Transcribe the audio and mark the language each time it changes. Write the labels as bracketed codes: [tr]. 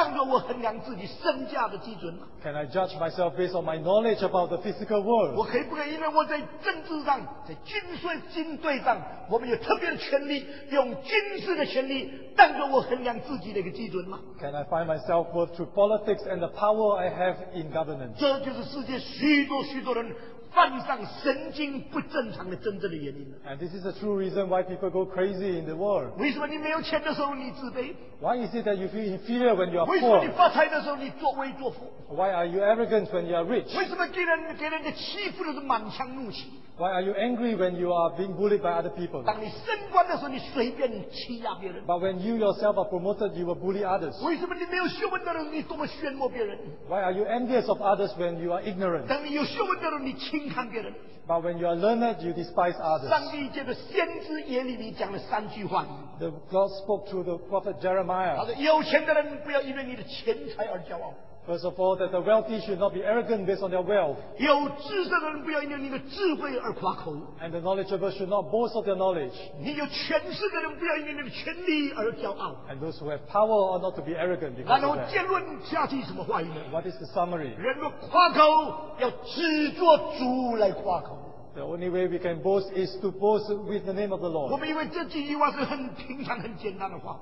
[zh] 我可以用我自己有多大的知识对自然界的学问当作我衡量自己身价的基准吗？ [en] Can I judge myself based on my knowledge about the physical world? [zh] 我可以不可以因为我在政治上，在军队上，我们有特别的权利用？军事的权利当作我衡量自己的一个基准吗? [en] Can I find myself worth through politics and the power I have in government? [zh] 这就是世界许多许多人犯上神经不正常的真正的原因。 [en] And this is the true reason why people go crazy in the world. [zh] 为什么你没有钱的时候你自卑? [en] Why is it that you feel inferior when you are poor? [zh] 为什么你发财的时候你作威作福? [en] Why are you arrogant when you are rich? [zh] 为什么给人家欺负的是满腔怒气? [en] Why are you angry when you are being bullied by other people? [zh] 当你升官的时候，你随便欺压别人。 [en] But when you yourself are promoted, you will bully others. [zh] 为什么你没有学问的人，你多么炫耀别人？ [en] Why are you envious of others when you are ignorant? [zh] 当你有学问的人，你轻看别人。 [en] But when you are learned, you despise others. [zh] 上帝借着先知耶利米讲了三句话。 [en] The God spoke to the prophet Jeremiah. [zh] 他说：“有钱的人不要因为你的钱财而骄傲。” [en] First of all, that the wealthy should not be arrogant based on their wealth. [zh] 有知识的人不要因为你的智慧而夸口。 [en] And the knowledgeable should not boast of their knowledge. [zh] 你有权势的人不要因为你的权力而骄傲。 [en] And those who have power are not to be arrogant because of that. [zh] 然后结论下去什么话语呢? [en] What is the summary? [zh] 人若夸口，要只做主来夸口。 [en] The only way we can boast is to boast with the name of the Lord. [zh] 我们以为这句话是很平常、很简单的话。